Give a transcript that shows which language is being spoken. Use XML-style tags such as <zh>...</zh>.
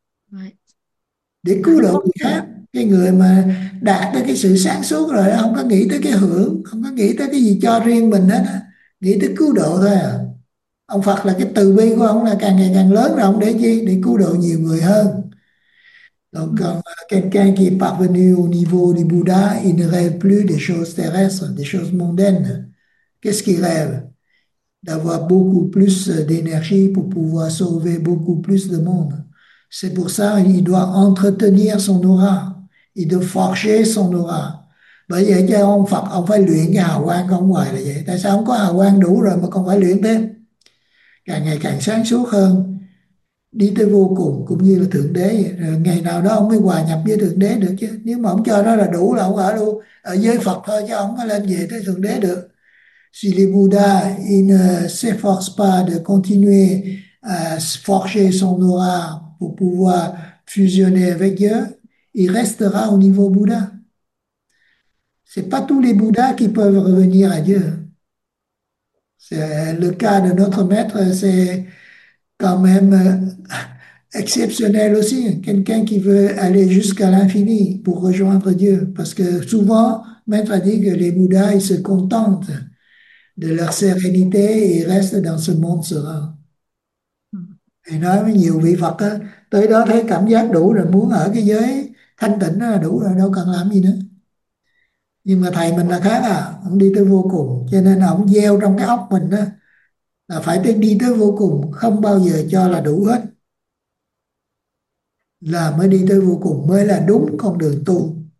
<vi>Đấy. để cứu Giải độ thoát người được. khác. Cái người mà đạt tới cái sự sáng suốt rồi đó, không có nghĩ tới cái hưởng, không có nghĩ tới cái gì cho riêng mình hết, nghĩ tới cứu độ thôi à. Ông Phật là cái từ bi của ông là càng ngày càng lớn rồi, ông để chi, để cứu độ nhiều người hơn.</vi> <fr>Donc quand quelqu'un qui est parvenu au niveau du Bouddha, il ne rêve plus des choses terrestres, des choses mondaines. Qu'est-ce qu'il rêve? D'avoir beaucoup plus d'énergie pour pouvoir sauver beaucoup plus de monde. C'est pour ça qu'il doit entretenir son aura. Il doit forger son aura.</fr> <vi>Bởi vậy cho ông Phật, ông phải luyện cái hào quang của ông ngoài là vậy. Tại sao ông có hào quang đủ rồi mà còn phải luyện thêm? Càng ngày càng sáng suốt hơn. Đi tới vô cùng cũng như là Thượng Đế. Rồi ngày nào đó ông mới hòa nhập với Thượng Đế được chứ. Nếu mà ông cho đó là đủ là ông ở luôn. Ở dưới Phật thôi chứ ông có lên về tới Thượng Đế được.</vi> <fr>Sri Buddha, il ne s'efforce pas de continuer à forger son aura pour pouvoir fusionner avec Dieu, il restera au niveau Bouddha. Ce n'est pas tous les Bouddhas qui peuvent revenir à Dieu. C'est le cas de notre maître, c'est quand même exceptionnel aussi. Quelqu'un qui veut aller jusqu'à l'infini pour rejoindre Dieu. Parce que souvent, maître a dit que les Bouddhas, ils se contentent de leur sérénité et restent dans ce monde serein.</fr> <vi>Et nói với nhiều vị Phật á, tới đó thấy cảm giác đủ rồi, muốn ở cái giới thanh tịnh là đủ rồi, đâu cần làm gì nữa. Nhưng mà thầy mình là khác à, ông đi tới vô cùng, cho nên ông gieo trong cái óc mình á là phải tới đi tới vô cùng, không bao giờ cho là đủ hết, là mới đi tới vô cùng mới là đúng con đường tu.</vi>